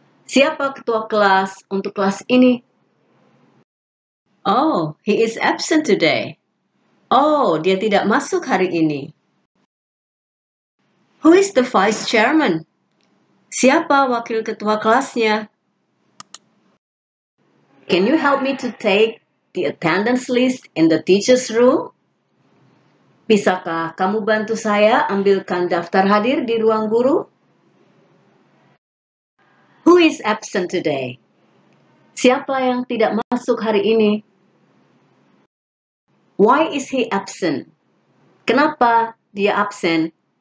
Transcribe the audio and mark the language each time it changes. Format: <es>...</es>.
<id>Siapa ketua kelas untuk kelas ini?</id> <en>Oh, he is absent today.</en> <id>Oh, dia tidak masuk hari ini.</id> <en>Who is the vice chairman?</en> <id>Siapa wakil ketua kelasnya?</id> <en>Can you help me to take the attendance list in the teacher's room?</en> <id>Bisakah kamu bantu saya ambilkan daftar hadir di ruang guru?</id> <en>Who is absent today?</en> <id>Siapa yang tidak masuk hari ini?</id> <en>Why is he absent?</en> <id>Kenapa dia absent?</id>